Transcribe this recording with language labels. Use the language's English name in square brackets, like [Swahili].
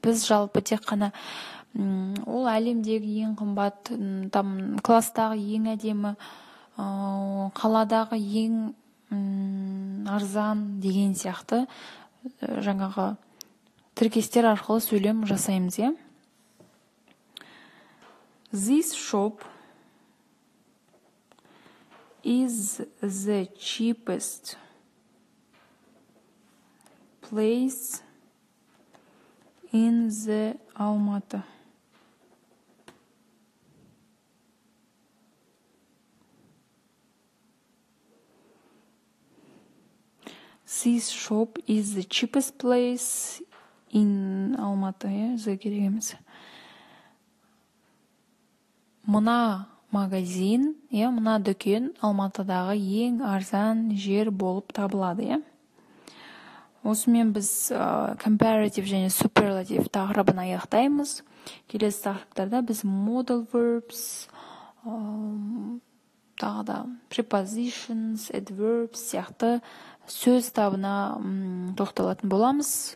[Kazakh] Біз жалпы тек қана ол әлемдегі ең қымбат, там, класстағы ең әдемі, қаладағы ең арзан деген сияқты жаңағы тіркестер арқылы сөйлем жасаймыз, е? [English] This shop is the cheapest place in the Алматы. This shop is the cheapest place in Алматы. [Kazakh] Зекерегіміз. Мына магазин, мына дүкен Алматыдағы ең арзан жер болып табылады. Осымен біз comparative және superlative тақырыбын аяқтаймыз. Келесі тақырыптарда біз modal verbs, тағы да prepositions, adverbs сияқты сөз табына тоқталатын боламыз.